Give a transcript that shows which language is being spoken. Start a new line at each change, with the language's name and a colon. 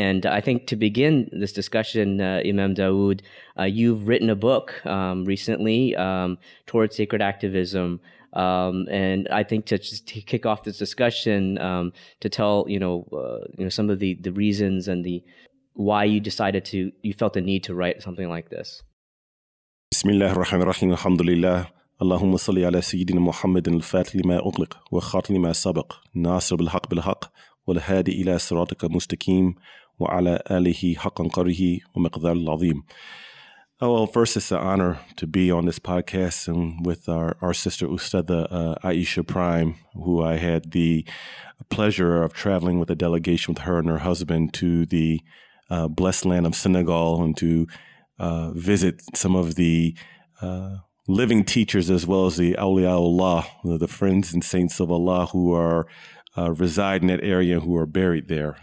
English: And I think to begin this discussion, Imam Dawood, you've written a book recently, Towards Sacred Activism. And I think to kick off this discussion, to tell, some of the reasons and the why you decided to, you felt the need to write something like this.
Arabic: بسم الله الرحمن الرحيم الحمد لله اللهم صل على سيدنا محمد الفاتح لما أغلق وخاتم لما سبق ناصر بالحق بالحق والهادي إلى صراطك المستقيم وعلى آله حقا قريه ومقدار العظيم.
English: Oh, well, first, it's an honor to be on this podcast and with our sister Ustada Aisha Prime, who I had the pleasure of traveling with a delegation with her and her husband to the blessed land of Senegal and to visit some of the living teachers as well as the awliyaullah, the friends and saints of Allah who are reside in that area, who are buried there.